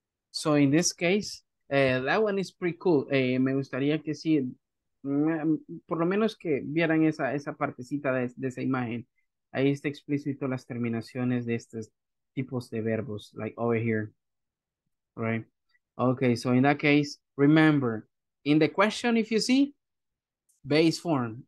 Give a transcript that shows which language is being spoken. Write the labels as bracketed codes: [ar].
[en] So in this case, that one is pretty cool. [es] Me gustaría que sí, por lo menos que vieran esa, esa partecita de esa imagen. Ahí está explícito las terminaciones de estos tipos de verbos, like over here. [en] Right. Okay, so in that case, remember, in the question, if you see, base form.